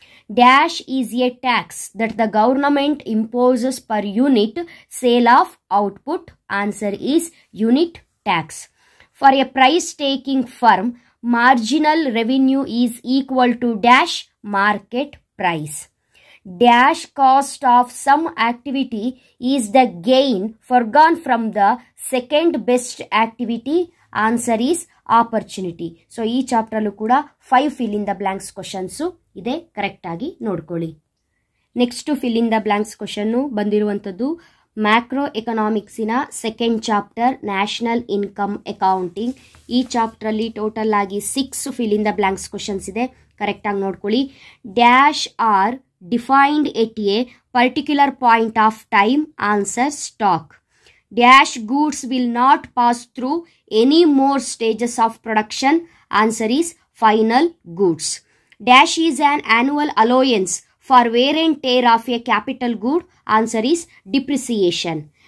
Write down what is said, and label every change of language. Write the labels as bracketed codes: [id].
[en] Dash is a tax that the government imposes per unit sale of output, answer is unit tax. For a price taking firm marginal revenue is equal to dash market price. Dash cost of some activity is the gain foregone from the second best activity. Answer is opportunity. [kn] So, ಈ ಚಾಪ್ಟರ್ಲ್ಲೂ ಕೂಡ 5 fill in the blanks questions ಇದೆ, correct ಆಗಿ ನೋಡ್ಕೊಳ್ಳಿ. Next fill in the blanks question ಬಂದಿರುವಂಥದ್ದು macro ಎಕನಾಮಿಕ್ಸಿನ second chapter national income accounting. ಈ ಚಾಪ್ಟರಲ್ಲಿ total ಆಗಿ 6 fill in the blanks questions ಇದೆ, correct ಆಗಿ ನೋಡ್ಕೊಳ್ಳಿ. [en] Dash are defined at a particular point of time, answer stock. Dash goods will not pass through any more stages of production, answer is final goods. Dash is an annual allowance for wear and tear of a capital good, answer is depreciation.